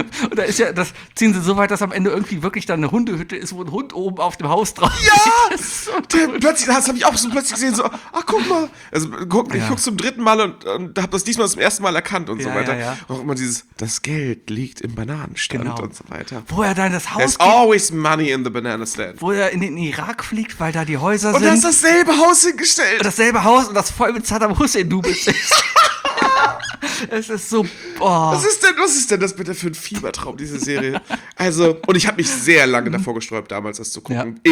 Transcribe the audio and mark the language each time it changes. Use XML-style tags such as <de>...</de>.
<de>Und da ist ja, das ziehen sie so weit, dass am Ende irgendwie wirklich dann eine Hundehütte ist, wo ein Hund oben auf dem Haus drauf ist. Ja! Plötzlich, das habe ich auch so plötzlich gesehen, so, ach guck mal. Also guck zum dritten Mal und hab das diesmal zum ersten Mal erkannt und so weiter. Ja. Auch immer dieses, das Geld liegt im Bananenstand und so weiter. Wo er dann das Haus.</de> <en>There's always money in the banana stand.</en> <de>Wo er in den Irak fliegt, weil da die Häuser und sind. Und da ist dasselbe Haus hingestellt. Und dasselbe Haus und das voll mit Saddam Hussein. Du bist es. Es ist so. Boah. Was ist denn das bitte für ein Fiebertraum, diese Serie? Also, und ich habe mich sehr lange davor gesträubt, damals das zu gucken. Ja.</de>